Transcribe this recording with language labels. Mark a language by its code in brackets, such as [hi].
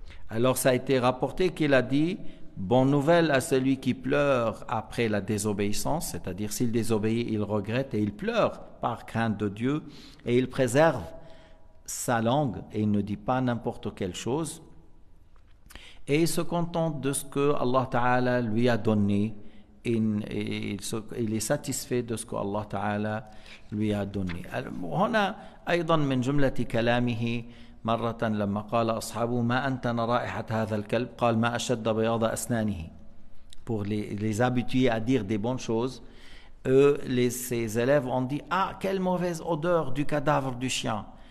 [fr] Alors ça a été rapporté qu'il a dit bonne nouvelle à celui qui pleure après la désobéissance, c'est-à-dire s'il désobéit, il regrette et il pleure par crainte de Dieu et il préserve sa langue et il ne dit pas n'importe quelle chose et il se contente de ce que Allah Ta'ala lui a donné et il est satisfait de ce que Allah Ta'ala lui a donné. [ar] هنا أيضا من جملة كلامه مرة لما قال أصحابه ما أنتن رائحة هذا الكلب قال ما أشد بياض أسنانه. [fr] Pour les habitués à dire des bonnes choses, ses élèves ont dit, ah, quelle mauvaise odeur du cadavre du chien.